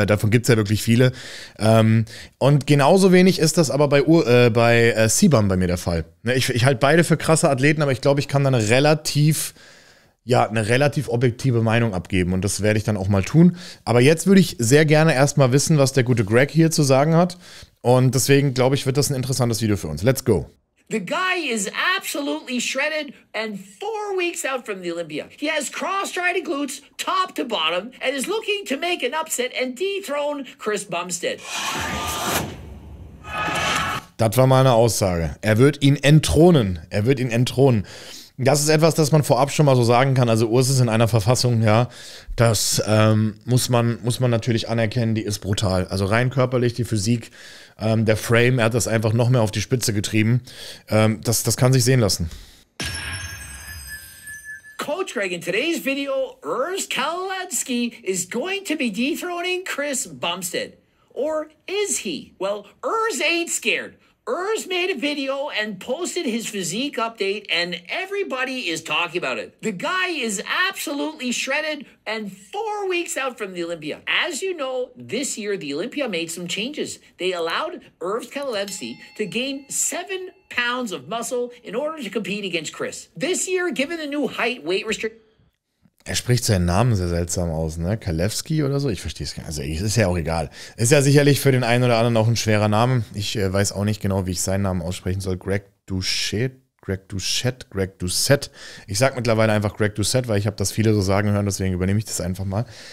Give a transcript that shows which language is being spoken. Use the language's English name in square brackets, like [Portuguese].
[German] Davon gibt es ja wirklich viele. Und genauso wenig ist das aber bei mir der Fall. Ich halte beide für krasse Athleten, aber ich glaube, ich kann dann eine relativ objektive Meinung abgeben und das werde ich dann auch mal tun. Aber jetzt würde ich sehr gerne erstmal wissen, was der gute Greg hier zu sagen hat und deswegen glaube ich, wird das ein interessantes Video für uns. [English] Let's go. The guy is absolutely shredded and 4 weeks out from the Olympia. He has cross-striding glutes top to bottom and is looking to make an upset and dethrone Chris Bumstead. [German] Das war meine Aussage. Er wird ihn entthronen. Er wird ihn entthronen. Das ist etwas, das man vorab schon mal so sagen kann. Also Urs ist in einer Verfassung, ja, das muss man natürlich anerkennen, die ist brutal. Also rein körperlich, die Physik, der Frame, er hat das einfach noch mehr auf die Spitze getrieben. Das kann sich sehen lassen. [English] Coach Greg, in today's video, Urs Kalitschinski is going to be dethroning Chris Bumstead. Or is he? Well, Urs ain't scared. Urs made a video and posted his physique update and everybody is talking about it. The guy is absolutely shredded and 4 weeks out from the Olympia. As you know, this year the Olympia made some changes. They allowed Urs Kalitschinski to gain 7 pounds of muscle in order to compete against Chris. This year, given the new height weight restriction. [German] Er spricht seinen Namen sehr seltsam aus, ne? Kalewski oder so? Ich verstehe es gar nicht. Also ist ja auch egal. Ist ja sicherlich für den einen oder anderen auch ein schwerer Name. Ich weiß auch nicht genau, wie ich seinen Namen aussprechen soll. Greg Doucette. Ich sag mittlerweile einfach Greg Doucette, weil ich habe das viele so sagen hören, deswegen übernehme ich das einfach mal.